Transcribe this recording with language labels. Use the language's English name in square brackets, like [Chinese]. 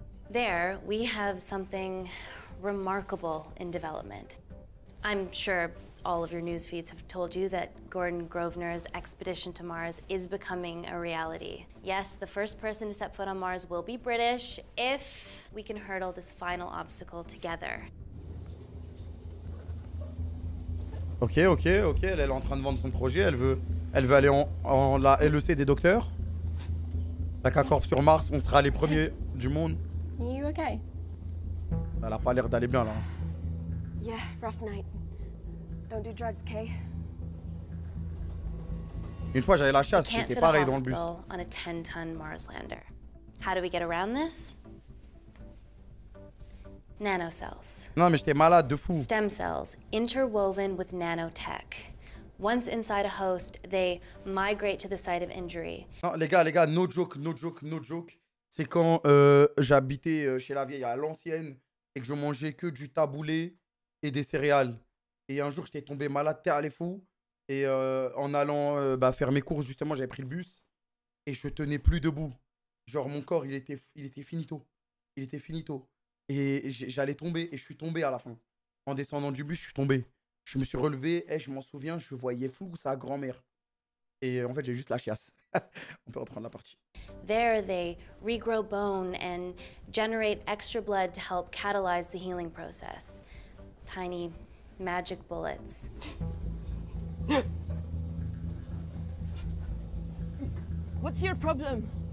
[English] There, we have something remarkable in development. I'm sure all of your news feeds have told you that Gordon Grosvenor's expedition to Mars is becoming a reality. Yes, the first person to set foot on Mars will be British if we can hurdle this final obstacle together. [French] Okay, elle est en train de vendre son projet, elle veut aller en la LEC des docteurs. La K-Corp sur Mars, on sera les premiers du monde. [English] You okay? [French] Elle a pas l'air d'aller bien là. [English] Yeah, rough night. Don't do drugs, Kay. [French] Une fois j'avais la chasse, j'étais pareil dans le bus. [English] On a 10-ton Mars lander. How do we get around this? Nanocells. [French] Non mais j'étais malade de fou. [English] Stem cells interwoven with nanotech. Once inside a host, they migrate to the site of injury. [French] Non les gars, [English] no joke. [French] C'est quand j'habitais chez la vieille à l'ancienne et que je mangeais que du taboulé et des céréales. Et un jour, j'étais tombé malade, t'es allé fou. Et en allant faire mes courses, justement, j'avais pris le bus et je tenais plus debout. Genre, mon corps, il était finito. Et j'allais tomber et je suis tombé à la fin. En descendant du bus, je suis tombé. Je me suis relevé et je m'en souviens, je voyais flou sa grand-mère. Et en fait, j'ai juste la chiasse. On peut reprendre la partie. [English] There, they regrow bone and generate extra blood to help catalyze the healing process. Tiny magic bullets. What's your problem?